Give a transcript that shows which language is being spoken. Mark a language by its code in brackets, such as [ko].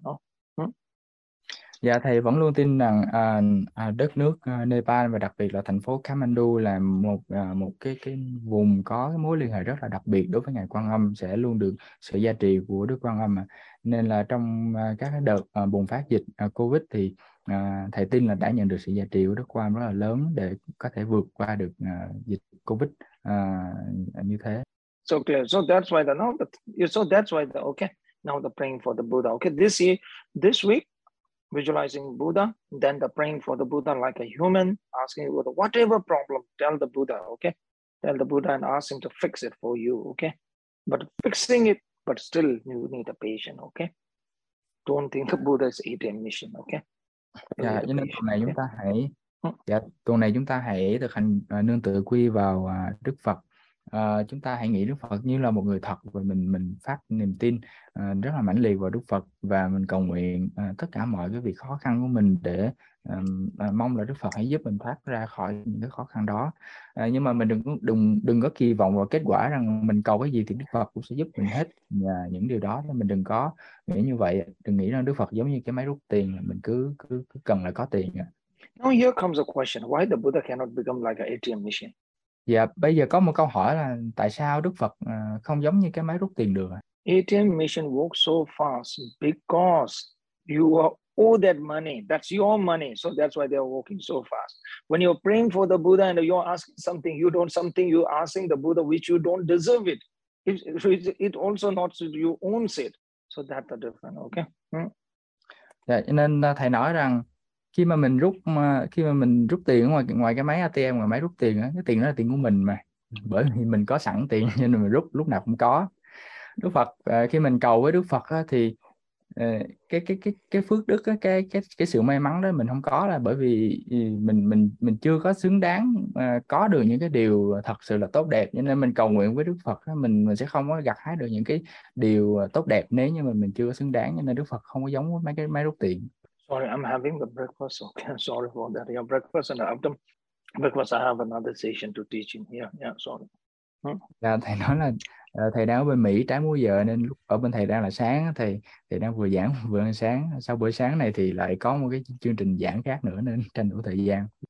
[en] No? [vi] Dạ, thầy vẫn luôn tin rằng đất nước Nepal và đặc biệt là thành phố Kathmandu là một một cái vùng có cái mối liên hệ rất là đặc biệt đối với Ngài Quan Âm, sẽ luôn được sự gia trì của Đức Quan Âm. Nên là trong các cái đợt bùng phát dịch COVID thì thầy tin là đã nhận được sự gia trì của Đức Quan Âm rất là lớn để có thể vượt qua được dịch COVID như thế. [en] So clear. So that's why the now the so that's why the okay. Now the praying for the Buddha. Okay, this year, this week, visualizing Buddha, then the praying for the Buddha like a human, asking Buddha, whatever problem, tell the Buddha, okay? Tell the Buddha and ask him to fix it for you, okay? But fixing it, but still you need a patient, okay? Don't think the Buddha is ATM mission, okay? You [vi] Dạ, [en] need a [vi] cho nên [en] patient, okay? [vi] tuần này chúng ta hãy thực hành nương tựa quy vào Đức Phật. Chúng ta hãy nghĩ Đức Phật như là một người thật, và mình phát niềm tin rất là mãnh liệt vào Đức Phật, và mình cầu nguyện tất cả mọi cái việc khó khăn của mình để Mong là Đức Phật hãy giúp mình thoát ra khỏi những cái khó khăn đó. Nhưng mà mình đừng đừng đừng có kỳ vọng vào kết quả rằng mình cầu cái gì thì Đức Phật cũng sẽ giúp mình hết những điều đó. Mình đừng có nghĩ như vậy, đừng nghĩ rằng Đức Phật giống như cái máy rút tiền, mình cứ cứ, cứ cần là có tiền. [en] Now here comes a question. Why the Buddha cannot become like an ATM machine? [vi] Dạ, bây giờ có một câu hỏi là tại sao Đức Phật không giống như cái máy rút tiền được ạ? [en] ATM machine works so fast because you are owe that money. That's your money. So that's why they are working so fast. When you're praying for the Buddha and you're asking something, you don't something you're asking the Buddha which you don't deserve it. It also not you owns it. So that's the difference. Okay. [vi] Dạ, cho nên thầy nói rằng khi mà mình rút tiền ngoài ngoài cái máy ATM, ngoài máy rút tiền á, cái tiền đó là tiền của mình mà, bởi vì mình có sẵn tiền nên mình rút lúc nào cũng có. Đức Phật, khi mình cầu với Đức Phật á, thì cái phước đức á, cái sự may mắn đó mình không có, là bởi vì mình chưa có xứng đáng có được những cái điều thật sự là tốt đẹp. Cho nên mình cầu nguyện với Đức Phật á, mình sẽ không có gặt hái được những cái điều tốt đẹp nếu như mình chưa có xứng đáng. Cho nên Đức Phật không có giống với mấy cái máy rút tiền. [en] Sorry, I'm having the breakfast. Okay, sorry for that. Your breakfast and after breakfast, I have another session to teach in here. Sorry. [vi] Dạ, thầy nói là thầy đang ở bên Mỹ trái múi giờ nên lúc ở bên thầy đang là sáng, thầy đang vừa giảng vừa ăn sáng, sau bữa sáng này thì lại có một cái chương trình giảng khác nữa nên tranh thủ thời gian.